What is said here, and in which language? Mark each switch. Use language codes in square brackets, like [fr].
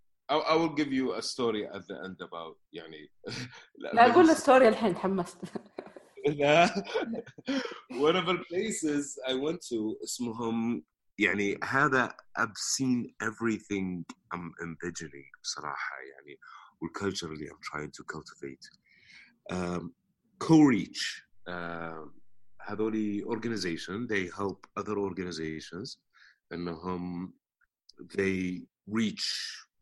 [en] I will give you a story at the end about [ar] يعني. لا أقول الستوري الحين, تحمست. لا. [en] One of the places I went to [ar] اسمهم يعني هذا [en] obscene everything I'm envisioning [ar] بصراحة يعني والculture اللي [en] I'm trying to cultivate. Co-reach [ar] هذولي [en] organization, they help other organizations [ar] إنهم [en] they reach